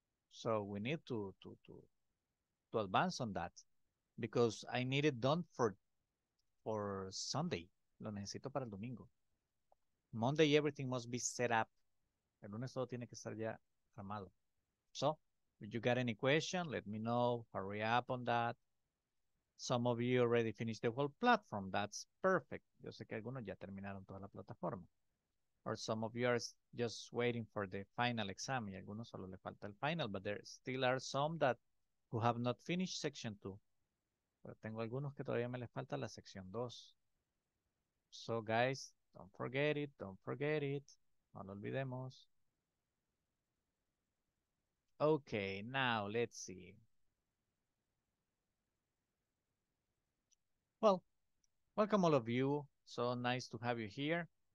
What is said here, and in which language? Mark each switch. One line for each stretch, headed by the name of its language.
English: So we need to advance on that, because I need it done for Sunday.
Spanish: Lo necesito para el domingo.
English: Monday, everything must be set up.
Spanish: El lunes todo tiene que estar ya armado.
English: So, if you got any question, let me know. Hurry up on that. Some of you already finished the whole platform. That's perfect.
Spanish: Yo sé que algunos ya terminaron toda la plataforma.
English: Or some of you are just waiting for the final exam.
Spanish: Y algunos solo le falta el final,
English: but there still are some that who have not finished section 2.
Spanish: Pero tengo algunos que todavía me les falta la sección 2.
English: So guys, don't forget it, don't forget it.
Spanish: No lo olvidemos.
English: Okay, now let's see. Well, welcome all of you. So nice to have you here.